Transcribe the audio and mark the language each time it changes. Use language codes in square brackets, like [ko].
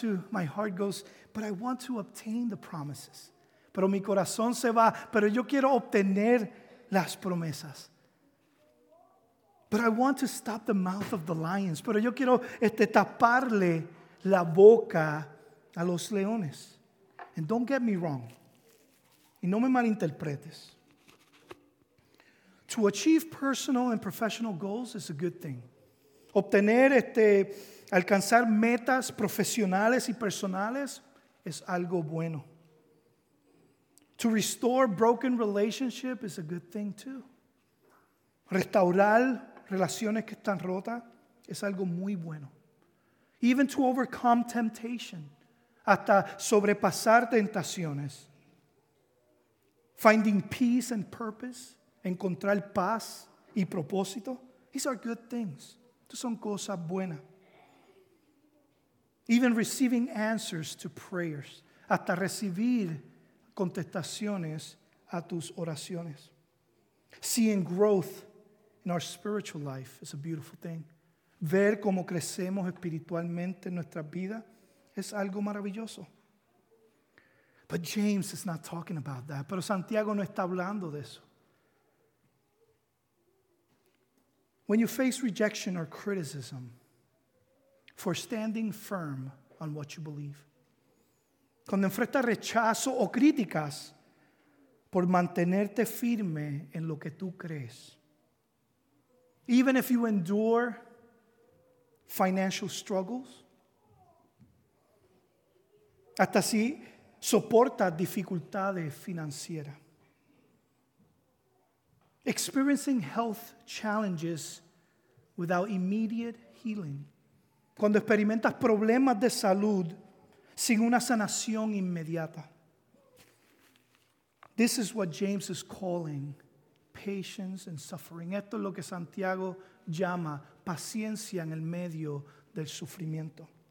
[en] My heart goes, but I want to obtain the promises. [es] Pero mi corazón se va, pero yo quiero obtener las promesas. [en] But I want to stop the mouth of the lions. [es] Pero yo quiero taparle la boca a los leones. [en] And don't get me wrong. [es] Y no me malinterpretes. [en] To achieve personal and professional goals is a good thing. [es] Obtener, alcanzar metas profesionales y personales es algo bueno. [en] To restore broken relationship is a good thing too. [es] Restaurar relaciones que están rotas es algo muy bueno. [en] Even to overcome temptation, [es] hasta sobrepasar tentaciones. [en] Finding peace and purpose, [es] encontrar paz y propósito, [en] these are good things. [es] Estas son cosas buenas. [en] Even receiving answers to prayers, [es] hasta recibir contestaciones a tus oraciones. [en] Seeing growth in our spiritual life is a beautiful thing. [es] Ver cómo crecemos espiritualmente en nuestras vidas es algo maravilloso. [en] But James is not talking about that. [es] Pero Santiago no está hablando de eso. [en] When you face rejection or criticism for standing firm on what you believe. [es] Cuando enfrentas rechazo o críticas por mantenerte firme en lo que tú crees. [en] Even if you endure financial struggles, [es] hasta si soportas dificultades financieras. [en] Experiencing health challenges without immediate healing. [es] Cuando experimentas problemas de salud sin una sanación inmediata. [en] This is what James is calling patience and suffering. [es] Esto es lo que Santiago llama paciencia en el medio del sufrimiento.